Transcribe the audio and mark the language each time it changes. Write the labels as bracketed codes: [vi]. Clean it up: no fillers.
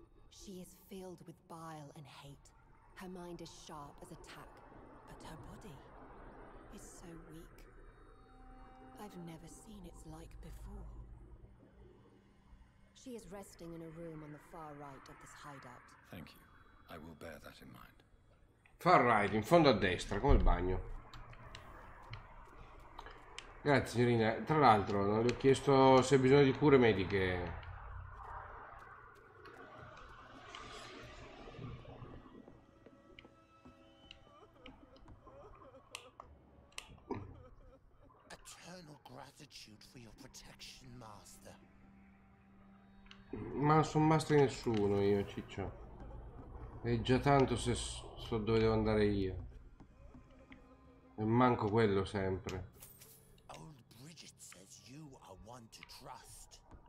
[en] She is filled with bile and hate. Her mind is sharp as a tack, but her body is so weak. I've never seen its like before. She is resting in a room on the far right of this hideout. Thank you. I will bear that in mind. Far right, [it] in fondo a destra, come il bagno. Grazie signorina. Tra l'altro non le ho chiesto se ha bisogno di cure mediche. [en] eternal gratitude for your protection, master. [it] Ma non sono master nessuno io, ciccio. È già tanto se so dove devo andare io. E manco quello sempre. [en] Old Bridget says you are one to trust.